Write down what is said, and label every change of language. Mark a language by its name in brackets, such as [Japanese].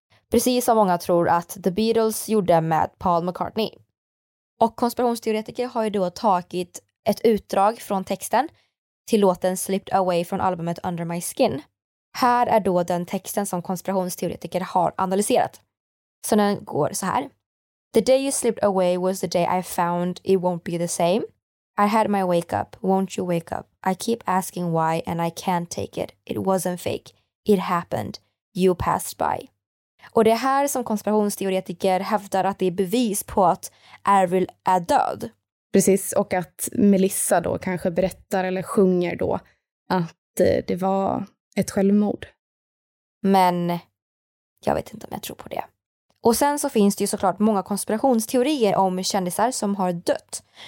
[Swedish] Precis som många tror att The Beatles gjorde med Paul McCartney. Och konspirationsteoretiker har ju då tagit ett utdrag från texten till låten Slipped Away från albumet Under My Skin. Här är då den texten som konspirationsteoretiker har analyserat. Så den går så här. [English] The day you slipped away was the day I found it won't be the same. I had my wake up, won't you wake up? I keep asking why and I can't take it. It wasn't fake. It happened. You passed by. [Swedish] Och det är här som konspirationsteoretiker hävdar att det är bevis på att Avril är död. Precis, och att Melissa då kanske berättar eller sjunger då att det var ett självmord. Men jag vet inte om jag tror på det. Och sen så finns det ju såklart många konspirationsteorier om kändisar som har dött.